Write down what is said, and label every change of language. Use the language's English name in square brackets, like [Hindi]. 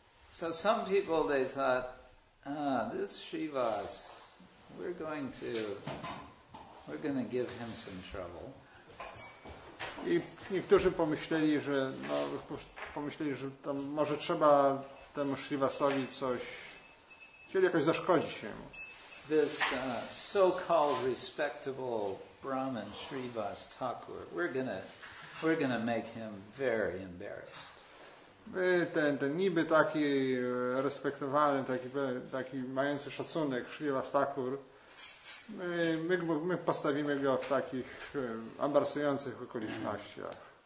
[English] So some people they thought, this Shivas, we're going to give him some trouble. [Polish] I niektórzy pomyśleli, że tam może trzeba temu Shrivasowi coś, chcieli jakoś zaszkodzić jemu. [English] This so-called respectable Brahmin Shrivas Thakur, we're gonna make him very embarrassed. [Polish] Ten niby taki respektowany, taki mający szacunek Shrivas Thakur, my postawimy go w takich embarrassujących okolicznościach.